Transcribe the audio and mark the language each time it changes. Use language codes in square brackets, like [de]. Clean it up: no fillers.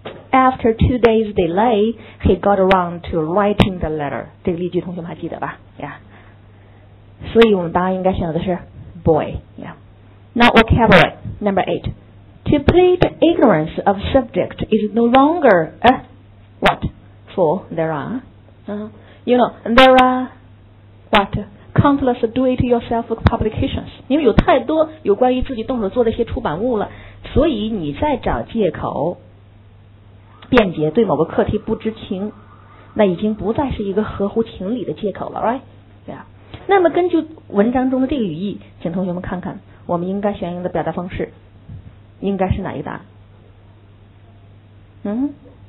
[en] After 2 days delay, he got around to writing the letter. [zh] 这个例句同学们还记得吧？ [en] Yeah. [zh] 所以我们答案应该选择的是 boy. [en] Yeah. Now vocabulary number 8. To plead ignorance of subject is no longer a what? For there are, you know, there are what? Countless do-it-yourself publications. [zh] 因为有太多有关于自己动手做的一些出版物了，所以你再找借口。辩解对某个课题不知情，那已经不再是一个合乎情理的借口了 [en] right？ [zh] 对啊。那么根据文章中的这个语义，请同学们看看我们应该选用的表达方式应该是哪一个答案。